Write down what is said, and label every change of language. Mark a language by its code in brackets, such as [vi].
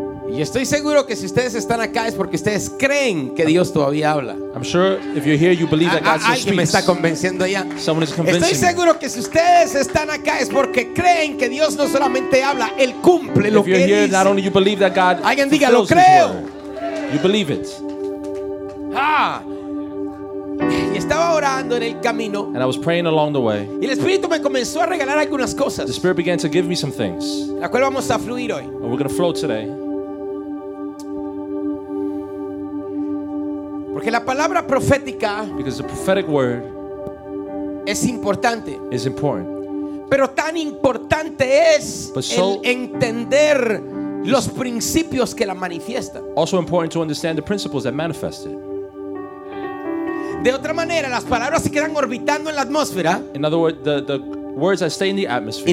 [es] Y estoy seguro que si ustedes están acá es porque ustedes creen que Dios todavía habla. [en] I'm sure if you're here you believe that God still speaks. [es] Me está convenciendo ya. [en] Someone is convincing. [es] Estoy seguro que si ustedes están acá es porque creen que Dios no solamente habla, él cumple lo que dice. [en] If you're here, not only you believe that God. [es] Alguien diga, lo creo. [en] You believe it. [es] Ah. Y estaba orando en el camino. [en] And I was praying along the way. [es] Y el Espíritu me comenzó a regalar algunas cosas. [en] The Spirit began to give me some things. [es] La cual vamos a fluir hoy. [en] And we're going to flow today. [es] Porque la palabra profética, [en] because the prophetic word, [es] es importante. [en] Is important. [es] Pero tan importante es, [en] but so, [es] el entender los principios que la manifiesta. [en] Also important to understand the principles that manifest it. [es] De otra manera, las palabras se quedan orbitando en la atmósfera. [en] In other words, the words that stay in the atmosphere.